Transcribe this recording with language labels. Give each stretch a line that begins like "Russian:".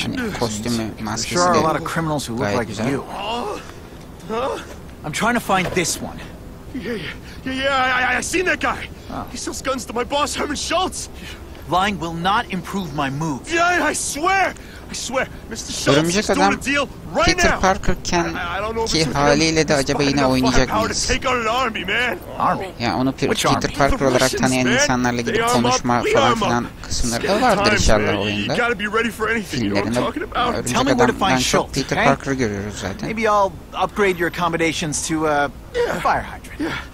Turkish: Hani kostümü, maskesi de gayet güzel.
English: I'm trying to find this one. Yeah, I seen that guy. He sells guns to my boss Herman Schultz. Lying will not improve my mood. Yeah, I swear. Mr. Schultz is doing a deal right now.
Turkish: Peter Parker Ken ki haliyle de acaba yine oynayacak mıyız?
English: Army.
Turkish: Ya onu Peter Parker olarak tanıyan insanlarla gidip konuşma falan filan kısımları da vardır inşallah oyunda. Filmlerinde örümcek adamdan çok Peter Parker'ı görüyoruz zaten.
English: Maybe I'll upgrade your accommodations to a fire hydrant.